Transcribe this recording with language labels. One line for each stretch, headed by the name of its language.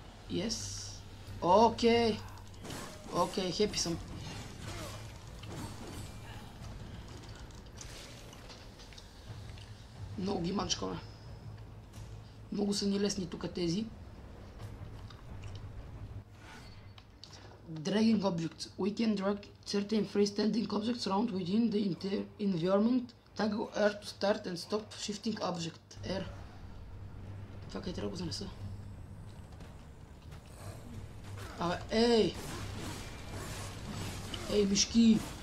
English: Yes.
Bulgarian: Окей. Окей, хепи съм. Много ги манчкаме. Много са ни лесни тук тези.
English: Dragging objects. We can drag certain freestanding objects around within the environment. Toggle R to start and stop shifting object. R.
Bulgarian: Това къде трябва да го занеса? Абе, ей! Ей, мишки!